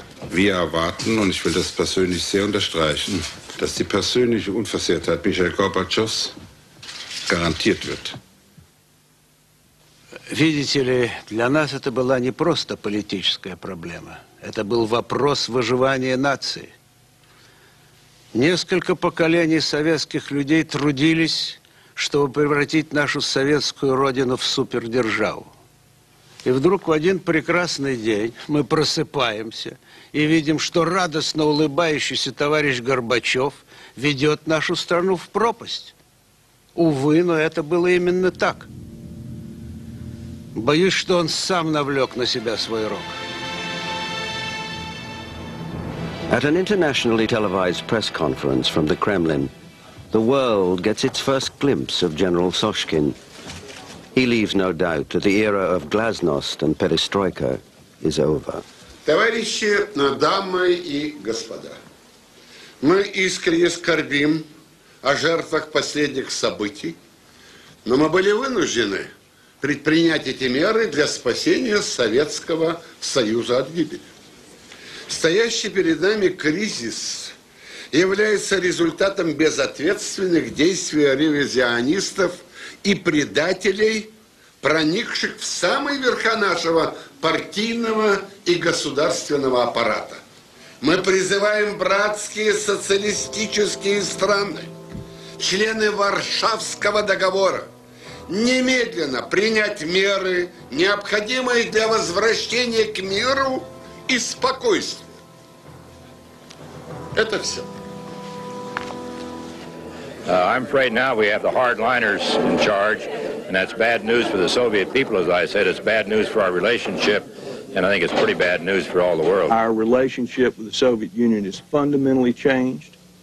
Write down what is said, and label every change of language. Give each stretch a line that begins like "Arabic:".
German: Wir erwarten, und ich will das persönlich sehr unterstreichen, dass die persönliche Unversehrtheit Michail Gorbatschows garantiert wird.
Russian: Видите ли, для нас это была не просто политическая проблема. Это был вопрос выживания нации. Несколько поколений советских людей трудились, чтобы превратить нашу советскую родину в супердержаву. И вдруг в один прекрасный день мы просыпаемся и видим, что радостно улыбающийся товарищ Горбачев ведет нашу страну в пропасть. Увы, но это было именно так. Боюсь, что он сам навлек на себя свой рог.
English: At an internationally televised press conference from the Kremlin, the world gets its first glimpse of General Soshkin. He leaves no doubt that the era of glasnost and perestroika is over.
Russian: Товарищи, дамы и господа, мы искренне скорбим о жертвах последних событий, но мы были вынуждены предпринять эти меры для спасения Советского Союза от гибели. Стоящий перед нами кризис является результатом безответственных действий ревизионистов и предателей, проникших в самые верха нашего партийного и государственного аппарата. Мы призываем братские социалистические страны, члены Варшавского договора, немедленно принять меры, необходимые для возвращения к миру и спокойствию. Это все.
English: I'm afraid now we have the hardliners in charge, and that's bad news for the Soviet people, as I said. It's bad news for our relationship, and I think it's pretty bad news for all the world. Our relationship with the Soviet Union has fundamentally changed.